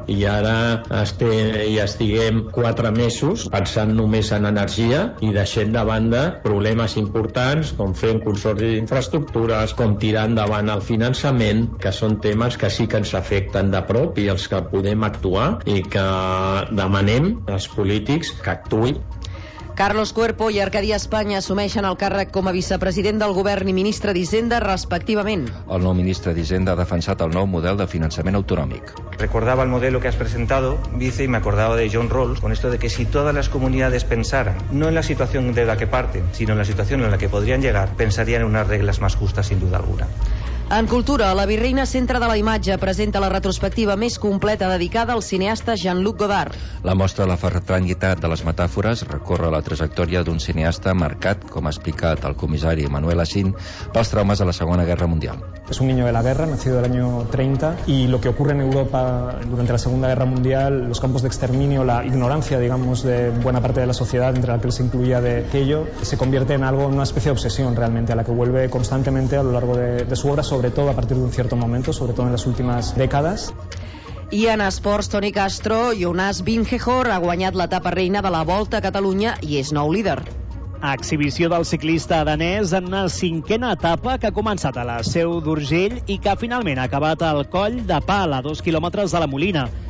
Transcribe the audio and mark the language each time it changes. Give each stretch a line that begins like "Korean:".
Catalan: I ara estiguem 4 mesos pensant només en energia i deixant de banda problemes importants, com fer un consorci d'infraestructures, com tirar endavant el finançament, que són temes que sí que ens afecten de prop i els que podem actuar i que demanem als polítics que actuï. Carlos Cuerpo i Arcadi Espanya assumeixen el càrrec com a vicepresident del govern i ministre d'Hisenda, respectivament. El nou ministre d'Hisenda ha defensat el nou model de finançament autonòmic.
Spanish: Recordava el modelo que has presentado, vice, y me acordaba de John Rawls, con esto de que si todas las comunidades pensaran, no en la situación de la que parten, sino en la situación en la que podrían llegar, pensarían en unas reglas más justas, sin duda alguna.
Catalan: En cultura, la Virreina Centre de la Imatge presenta la retrospectiva més completa dedicada al cineasta Jean-Luc Godard. La mostra La Ferranguitat de les Metàfores recorre la trajectòria d'un cineasta marcat, com ha explicat el comissari Manuel Asín, pels traumes de la Segona Guerra Mundial.
Spanish: Es un niño de la guerra, nacido del año 30, y lo que ocurre en Europa durante la Segunda Guerra Mundial, los campos de exterminio, la ignorancia, digamos, de buena parte de la sociedad, entre la que se incluía de aquello, se convierte en algo, en una especie de obsesión realmente, a la que vuelve constantemente a lo largo de su obra, sobre todo a partir de un cierto momento, sobre todo en las últimas décadas.
Catalan: I en esports, Toni Castro, Jonas Vingegaard ha guanyat l'etapa reina de la Volta a Catalunya i és nou líder. Exhibició del ciclista danès en una cinquena etapa que ha començat a la Seu d'Urgell i que finalment ha acabat al Coll de Pal, a 2 quilòmetres de la Molina.